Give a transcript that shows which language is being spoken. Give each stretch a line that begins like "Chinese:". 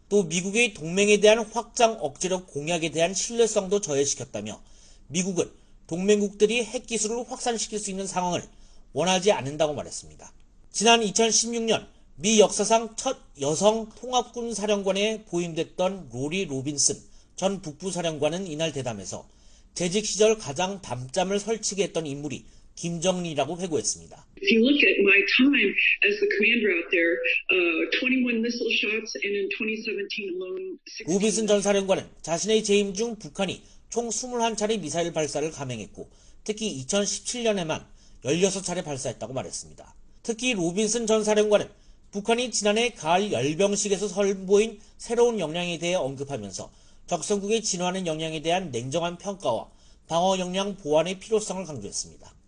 Korean: 또 미국의 동맹에 대한 확장 억제력 공약에 대한 신뢰성도 저해시켰다며 미국은 동맹국들이 핵기술을 확산시킬 수 있는 상황을 원하지 않는다고 말했습니다. 지난 2016년 미 역사상 첫 여성 통합군 사령관에 보임됐던 로리 로빈슨 전 북부사령관은 이날 대담에서 재직 시절 가장 담짬을 설치게 했던 인물이 김정은이라고 회고했습니다.
English: If you look at my time as the commander out there, 21 missile shots and in 2017 alone 16...
Korean: 로빈슨 전 사령관은 자신의 재임 중 북한이 총 21차례 미사일 발사를 감행했고 특히 2017년에만 16차례 발사했다고 말했습니다. 특히 로빈슨 전 사령관은 북한이 지난해 가을 열병식에서 선보인 새로운 역량에 대해 언급하면서 적성국의 진화하는 역량에 대한 냉정한 평가와 방어 역량 보완의 필요성을 강조했습니다.